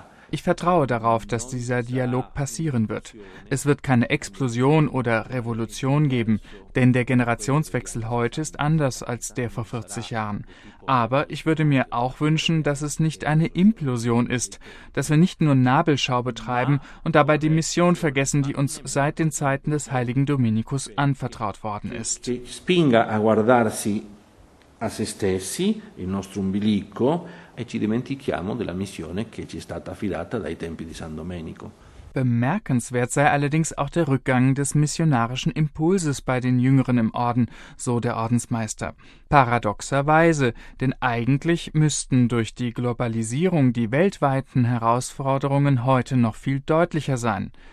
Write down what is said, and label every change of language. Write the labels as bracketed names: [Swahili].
[German] Ich vertraue darauf, dass dieser Dialog passieren wird. Es wird keine Explosion oder Revolution geben, denn der Generationswechsel heute ist anders als der vor 40 Jahren. Aber ich würde mir auch wünschen, dass es nicht eine Implosion ist, dass wir nicht nur Nabelschau betreiben und dabei die Mission vergessen, die uns seit den Zeiten des heiligen Dominikus anvertraut worden ist. [Italian] Spinga a guardarsi a se stessi, il nostro umbilico, e ci dimentichiamo della missione che ci è stata affidata dai tempi di San Domenico. [German] Bemerkenswert sei allerdings auch der Rückgang des missionarischen Impulses bei den Jüngeren im Orden, so der Ordensmeister. Paradoxerweise, denn eigentlich müssten durch die Globalisierung die weltweiten Herausforderungen heute noch viel deutlicher sein.